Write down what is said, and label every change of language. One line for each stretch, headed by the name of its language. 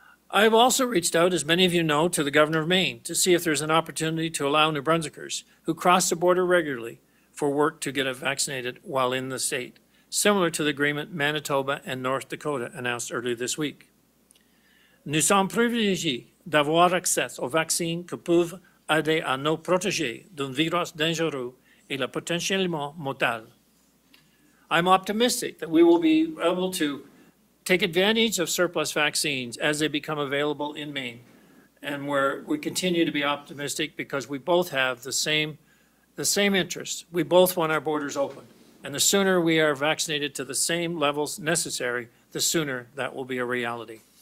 English: I have also reached out, as many of you know, to the governor of Maine to see if there's an opportunity to allow New Brunswickers who cross the border regularly for work to get vaccinated while in the state, similar to the agreement Manitoba and North Dakota announced earlier this week.
French: Nous sommes privilégiés d'avoir accès aux vaccins qui peuvent aider à nous protéger d'un virus dangereux et le potentiellement mortel.
English: I'm optimistic that we will be able to take advantage of surplus vaccines as they become available in Maine. And we continue to be optimistic because we both have the same interests. We both want our borders open. And the sooner we are vaccinated to the same levels necessary, the sooner that will be a reality.